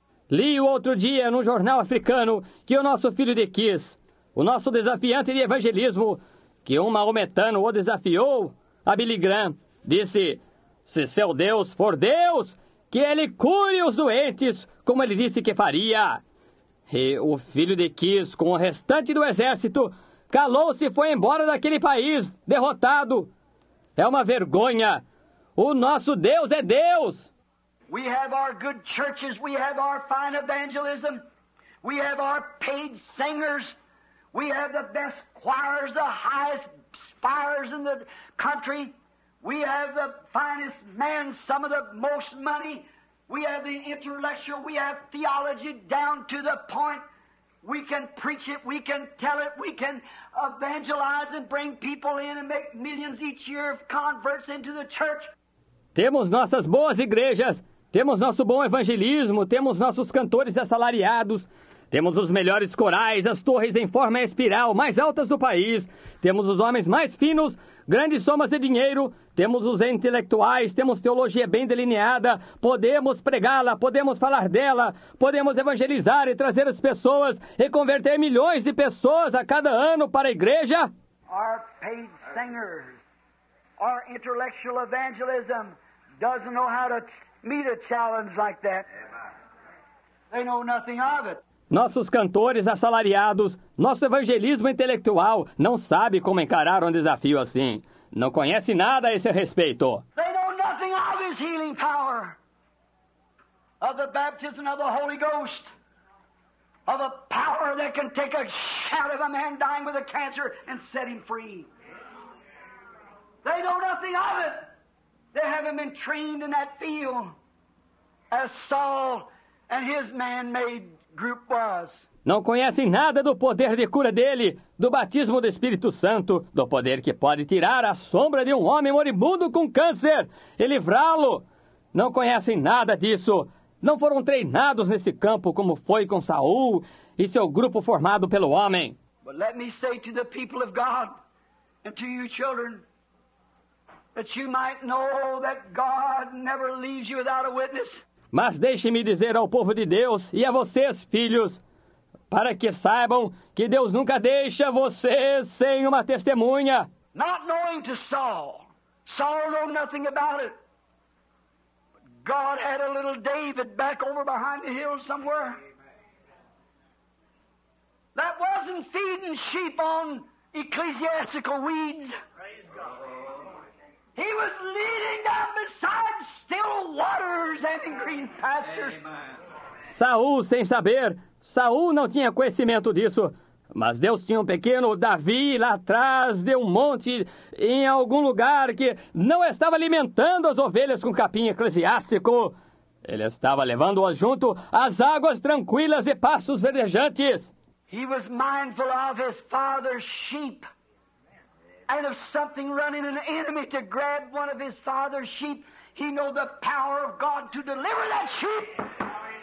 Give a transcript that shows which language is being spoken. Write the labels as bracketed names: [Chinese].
[Portuguese] Li o outro dia num jornal africano que o nosso filho de Kis, o nosso desafiante de evangelismo, que um maometano o desafiou, a Billy Graham, disse, se seu Deus for Deus, que ele cure os doentes, como ele disse que faria. E o filho de Kis, com o restante do exército, calou-se e foi embora daquele país, derrotado. É uma vergonha. O nosso Deus é Deus. [English] We have our good churches, we have our fine evangelism, we have our paid singers, we have the best choirs, the highest spires in the country, we have the finest men, some of the most money, we have the intellectual, we have theology down to the point. We can preach it, we can tell it, we can evangelize and bring people in and make millions each year of converts into the church. [Portuguese] Temos nossas boas igrejas. Temos nosso bom evangelismo, temos nossos cantores assalariados, temos os melhores corais, as torres em forma espiral mais altas do país, temos os homens mais finos, grandes somas de dinheiro, temos os intelectuais, temos teologia bem delineada, podemos pregá-la, podemos falar dela, podemos evangelizar e trazer as pessoas e converter milhões de pessoas a cada ano para a igreja. [English] Our paid singer, our intellectual evangelism doesn't know how to meet a challenge like that. They know nothing of it. [Portuguese] Nossos cantores assalariados, nosso evangelismo intelectual não sabe como encarar um desafio assim. Não conhece nada a esse respeito. [English] They know nothing of his healing power. of the baptism of the Holy Ghost, of a power that can take a shout of a man dying with a cancer and set him free. They know nothing of it. They haven't been trained in that field as Saul and his man-made group was. [Portuguese] Não conhecem nada do poder de cura dele, do batismo do Espírito Santo, do poder que pode tirar a sombra de um homem moribundo com câncer e livrá-lo. Não conhecem nada disso. Não foram treinados nesse campo como foi com Saul e seu grupo formado pelo homem. [English] But let me say to the people of God and to you children that you might know that God never leaves you without a witness. [Portuguese] Mas deixe-me dizer ao povo de Deus e a vocês, filhos, para que saibam que Deus nunca deixa vocês sem uma testemunha. [English] Not knowing to Saul. Saul knew nothing about it. God had a little David back over behind the hill somewhere. That wasn't feeding sheep on ecclesiastical weeds. He was leading them beside still waters and in green pastures. [Portuguese] Saul, sem saber, Saul não tinha conhecimento disso, mas Deus tinha um pequeno Davi lá atrás de um monte em algum lugar que não estava alimentando as ovelhas com capim eclesiástico. Ele estava levando-as junto às águas tranquilas e pastos verdejantes. [English] He was mindful of his father's sheep and of something running an enemy to grab one of his father's sheep. He knew the power of God to deliver that sheep.